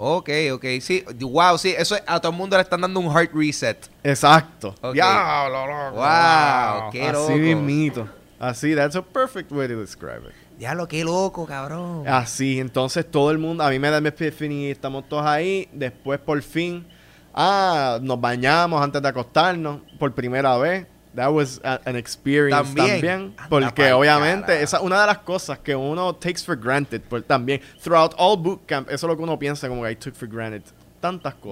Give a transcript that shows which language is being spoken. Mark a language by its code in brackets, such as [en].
[es] Ok, sí, wow, sí, eso a todo el mundo le están dando un heart reset. Exacto. Okay. ¡Diablo, loco! ¡Wow! ¡Qué así loco! Así mismito. [en] Así, that's a perfect way to describe it. [es] ¡Diablo, qué loco, cabrón! Así, entonces todo el mundo, a mí me da mi epiphany, estamos todos ahí, después por fin, nos bañamos antes de acostarnos, por primera vez. [en] That was an experience [es] también porque obviamente esa es una de las cosas que uno [en] takes for granted, [es] pues también [en] throughout all bootcamp, [es] eso es lo que uno piensa, como que [en] I took for granted [es] tantas cosas.